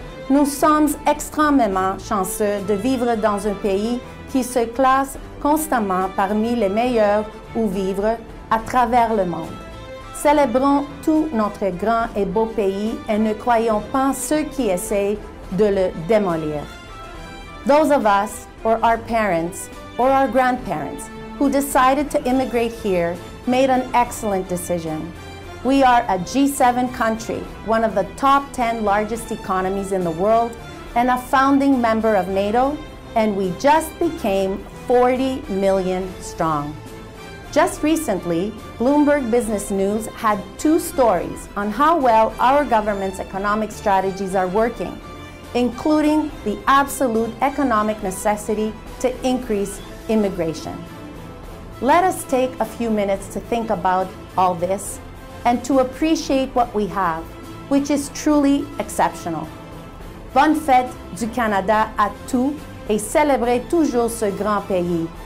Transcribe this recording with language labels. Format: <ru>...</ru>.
<fr>Nous sommes extrêmement chanceux de vivre dans un pays qui se classe constamment parmi les meilleurs où vivre à travers le monde. Célébrons tout notre grand et beau pays et ne croyons pas ceux qui essayent de le démolir.</fr> <en>Those of us, or our parents, or our grandparents, who decided to immigrate here, made an excellent decision. We are a G7 country, one of the top 10 largest economies in the world, and a founding member of NATO, and we just became 40 million strong. Just recently, Bloomberg Business News had two stories on how well our government's economic strategies are working, including the absolute economic necessity to increase immigration. Let us take a few minutes to think about all this and to appreciate what we have, which is truly exceptional.</en> <fr>Bonne fête du Canada à tous et célébrez toujours ce grand pays.</fr>